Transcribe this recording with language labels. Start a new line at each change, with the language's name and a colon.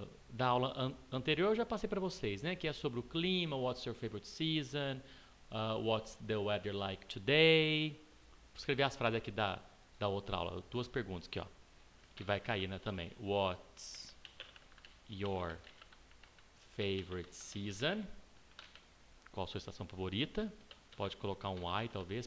Portuguese: Da aula anterior eu já passei para vocês, né? Que é sobre o clima,
English: what's your favorite season, what's the weather like today.
Portuguese: Vou escrever as frases aqui da outra aula. Duas perguntas aqui, ó. Que vai cair, né, também.
English: What's your favorite season?
Portuguese: Qual a sua estação favorita? Pode colocar um why, talvez.